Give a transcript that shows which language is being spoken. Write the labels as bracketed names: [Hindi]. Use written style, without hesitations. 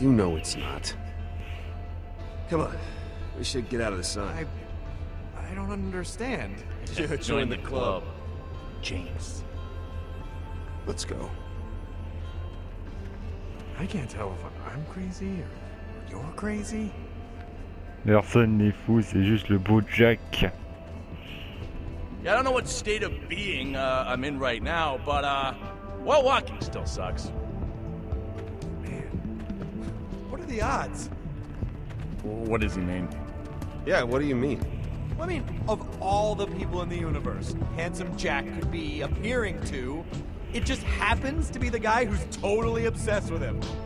[English] You know it's not. Come on. We should get out of the sun. I don't understand. Join the club. James. Let's go. I can't tell if I'm crazy or you're crazy. [French] Personne n'est fou, c'est juste le beau Jack. [English] Yeah, I don't know what state of being I'm in right now, but walking still sucks. Man, what are the odds? What does he mean? Yeah, what do you mean? I mean, of all the people in the universe, Handsome Jack could be appearing to, it just happens to be the guy who's totally obsessed with him.